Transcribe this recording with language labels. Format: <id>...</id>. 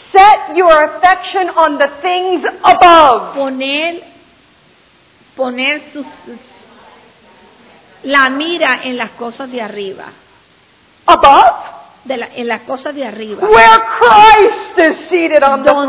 <en>Set your affection on the things above.</en> <es>Poner la mira en las cosas de arriba.</es> <en>Above?</en> <es>En las cosas de arriba.</es> <en>Where Christ is seated on the throne.</en>